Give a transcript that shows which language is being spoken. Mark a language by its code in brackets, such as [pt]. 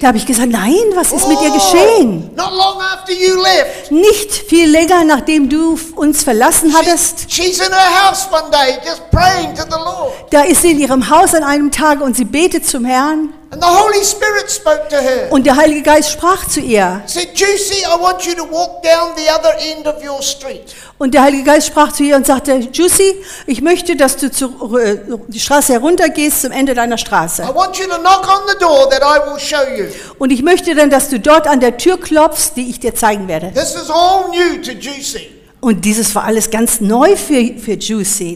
[de] Da habe ich gesagt, nein, was ist mit ihr geschehen? [en] Not long after you left. [de] Nicht viel länger, nachdem du uns verlassen hattest. [en] She's in her house one day, just praying to the Lord. [de] Da ist sie in ihrem Haus an einem Tag und sie betet zum Herrn. [en] And the Holy Spirit spoke to her. [de] Und der Heilige Geist sprach zu ihr. [en] Said, Juicy, I want you to walk down the other end of your street. [de] Und der Heilige Geist sprach zu ihr und sagte, Juicy, ich möchte, dass du die Straße heruntergehst zum Ende deiner Straße. [en] I want you to knock on the door that I will show you. [de] Und ich möchte dann, dass du dort an der Tür klopfst, die ich dir zeigen werde. [en] This is all new to Juicy. [de] Und dieses war alles ganz neu für Juicy.